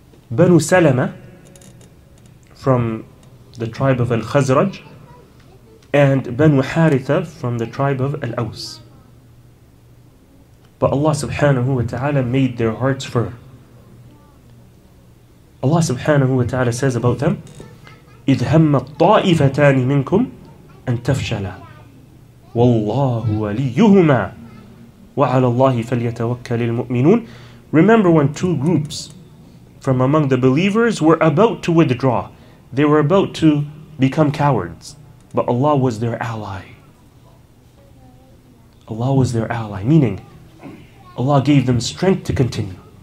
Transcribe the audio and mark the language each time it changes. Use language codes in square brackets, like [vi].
[en] Banu Salama from the tribe of Al-Khazraj and Banu Haritha from the tribe of Al-Aws. But Allah subhanahu wa ta'ala made their hearts firm. Allah subhanahu wa ta'ala says about them, [ar] إِذْ هَمَّ الطَّائِفَتَانِ مِنْكُمْ أَنْ تَفْشَلَ وَاللَّهُ وَلِيُّهُمَا وَعَلَى اللَّهِ فَلْيَتَوَكَّلِ الْمُؤْمِنُونَ. [en] Remember when two groups from among the believers were about to withdraw. They were about to become cowards. But Allah was their ally. Allah was their ally, meaning Allah gave them strength to continue.